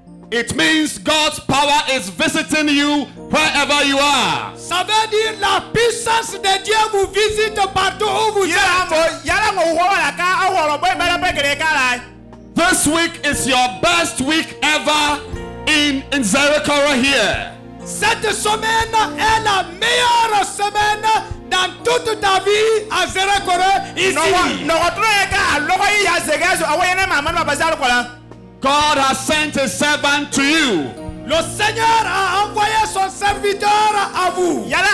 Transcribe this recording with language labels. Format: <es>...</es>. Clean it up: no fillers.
<en>it means God's power is visiting you wherever you are.</en> <fr>Ça veut dire la puissance de Dieu vous visite partout où vous êtes.</fr> <en>This week is your best week ever in Nzerekore here.</en> <fr>Cette semaine est la meilleure semaine dans toute ta vie à Nzerekore ici.</fr> <en>God has sent a servant to you.</en> <fr>Le Seigneur a envoyé son serviteur à vous.</fr>